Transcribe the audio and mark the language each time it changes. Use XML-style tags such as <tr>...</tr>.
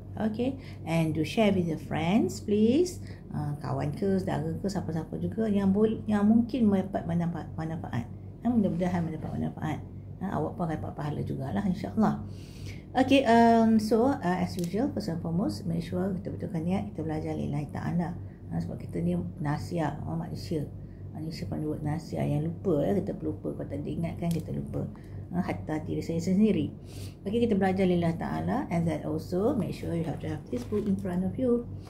<en>Okey, and do share with your friends please.</en> <ms>Kawan ke, saudara ke, siapa-siapa juga yang yang mungkin dapat manfaat. Mudah-mudahan mendapat manfaat. Awak pun akan dapat pahala jugalah insya-Allah.</ms> <en>Okay, as usual, first and foremost, make sure</en> <ms>kita betulkan niat, kita belajar lillahi ta'ala. Sebab kita ni nasia, orang manusia. Manusia pun buat nasia yang lupa, ya. Kita lupa. Kalau tak diingatkan, kita lupa. Hatta diri saya sendiri. Okay, kita belajar lillahi ta'ala.</ms> <en>And then also, make sure you have to have this book in front of you.</en>